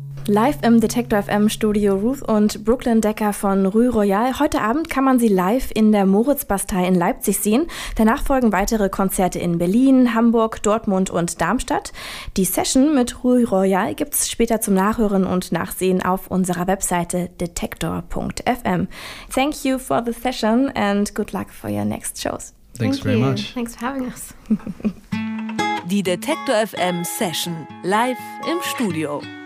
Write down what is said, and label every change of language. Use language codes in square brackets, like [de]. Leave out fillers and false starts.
[de] Live im Detektor FM Studio Ruth und Brooklyn Decker von Rue Royale. Heute Abend kann man sie live in der Moritzbastei in Leipzig sehen. Danach folgen weitere Konzerte in Berlin, Hamburg, Dortmund und Darmstadt. Die Session mit Rue Royale gibt es später zum Nachhören und Nachsehen auf unserer Webseite detektor.fm. [en] Thank you for the session and good luck for your next shows. Thanks very much. Thanks for having us. [de] Die Detektor FM Session live im Studio.